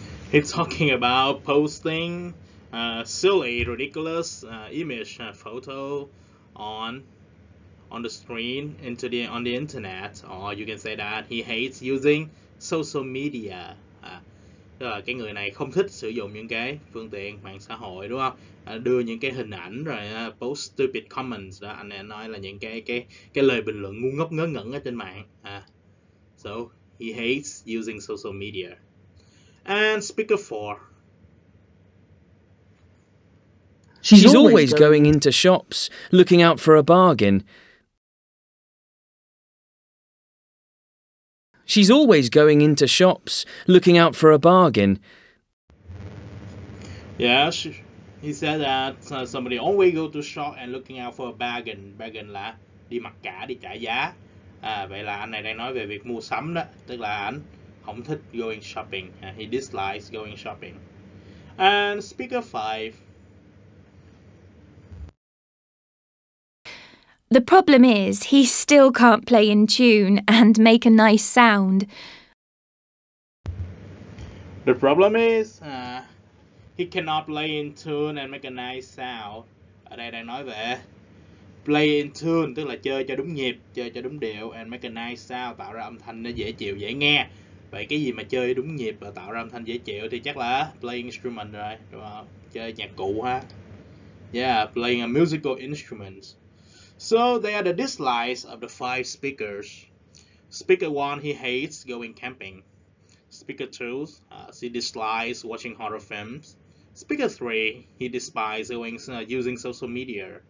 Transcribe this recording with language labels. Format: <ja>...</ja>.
<en>He's talking about posting silly, ridiculous image photo on the screen on the internet, or you can say that he hates using social media.</en> <vi>Tức là cái người này không thích sử dụng những cái phương tiện mạng xã hội, đúng không? Đưa những cái hình ảnh rồi</vi> <en>post stupid comments</en> <vi>đó, anh này nói là những cái lời bình luận ngu ngốc ngớ ngẩn ở trên mạng.</vi> <en>So he hates using social media. And speaker 4. She's always going into shops looking out for a bargain. She's always going into shops, looking out for a bargain. Yeah, he said that somebody always go to shop and looking out for a bargain.</en> <vi>Bargain là đi mặc cả, đi trả giá. Vậy là anh này đang nói về việc mua sắm đó. Tức là anh không thích</vi> <en>going shopping. He dislikes going shopping. And speaker 5. The problem is, he still can't play in tune and make a nice sound. The problem is, he cannot play in tune and make a nice sound.</en> <vi>Ở đây đang nói về</vi> <en>play in tune,</en> <vi>tức là chơi cho đúng nhịp, chơi cho đúng điệu,</vi> <en>and make a nice sound,</en> <vi>tạo ra âm thanh nó dễ chịu, dễ nghe. Vậy cái gì mà chơi đúng nhịp và tạo ra âm thanh dễ chịu thì chắc là</vi> <en>play instrument</en> <vi>rồi, đúng không? chơi nhạc cụ ha.</vi> <en>Yeah, playing a musical instrument. So they are the dislikes of the five speakers. Speaker 1, he hates going camping. Speaker 2, she dislikes watching horror films. Speaker 3, he despises using social media.</en>